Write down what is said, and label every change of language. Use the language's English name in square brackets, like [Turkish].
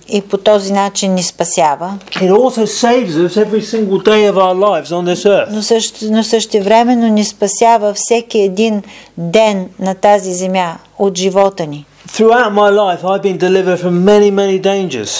[Bulgarian] И по този начин ни спасява. [English] It also saves us every single day of our lives on this earth. [Bulgarian] Но същевременно ни спасява всеки един ден на тази земя от живота ни. [English] Throughout my life I've been delivered from many, many dangers.